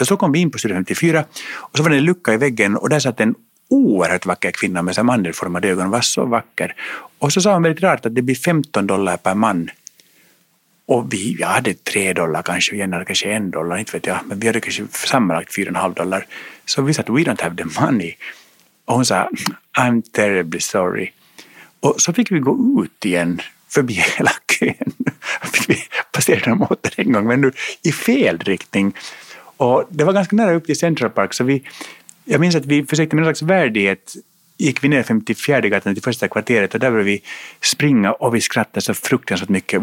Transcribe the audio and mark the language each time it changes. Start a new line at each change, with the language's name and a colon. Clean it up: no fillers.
Swedish: Och så kom vi in på Studio 54 och så var det en lucka i väggen och där satt en oerhört vacker kvinna med så mandelformade ögon, var så vacker. Och så sa hon väldigt rart att det blir $15 per man. Och vi hade $3 kanske och Jenna kanske $1, inte vet jag. Men vi hade kanske sammanlagt $4.50. Så vi sa att
English: we don't have the money.
Swedish: Och hon sa,
English: I'm terribly sorry.
Swedish: Och så fick vi gå ut igen förbi hela kön. Vi passerade dem åter en gång, men nu i fel riktning. Och det var ganska nära upp till Central Park, så jag minns att vi försökte med en slags värdighet, gick vi ner 54 gatan till första kvarteret, och där började vi springa, och vi skrattade så fruktansvärt mycket.